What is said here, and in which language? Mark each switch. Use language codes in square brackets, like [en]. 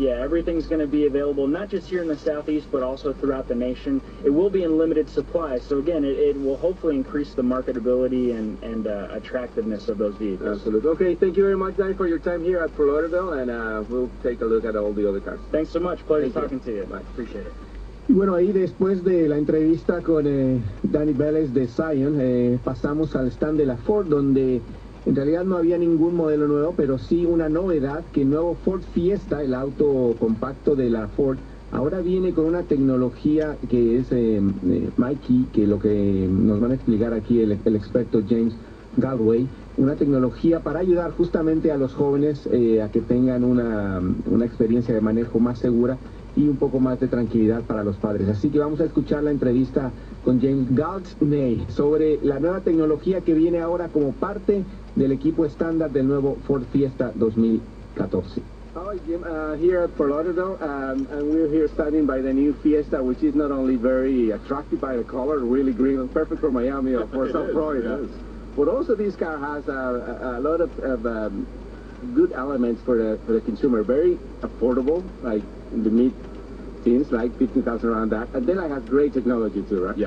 [en] Yeah, everything's going to be available not just here in the Southeast, but also throughout the nation. It will be in limited supply. So again, it will hopefully increase the marketability and attractiveness of those vehicles. Absolutely. Okay, thank you very much, Dan, for your time here at Fort Lauderdale, and we'll take a look at all the other cars. Thanks so much. Pleasure talking to you. Bye. Appreciate it. [es] Y bueno, ahí después de la entrevista con Danny Vélez de Scion, pasamos al stand de la Ford, donde en realidad no había ningún modelo nuevo, pero sí una novedad, que el nuevo Ford Fiesta, el auto compacto de la Ford, ahora viene con una tecnología que es MyKey, que lo que nos van a explicar aquí el experto James Galway, una tecnología para ayudar justamente a los jóvenes a que tengan una experiencia de manejo más segura y un poco más de tranquilidad para los padres. Así que vamos a escuchar la entrevista con James Galway sobre la nueva tecnología que viene ahora como parte del equipo estándar del nuevo Ford Fiesta 2014. [en] Hi, Jim, here at Fort Lauderdale, and we're here standing by the new Fiesta, which is not only very attractive by the color, really green, perfect for Miami or for South Florida, but also this car has a lot of good elements for the consumer, very affordable, like in the mid-teens, like 15,000 around that, and then it has great technology too, right?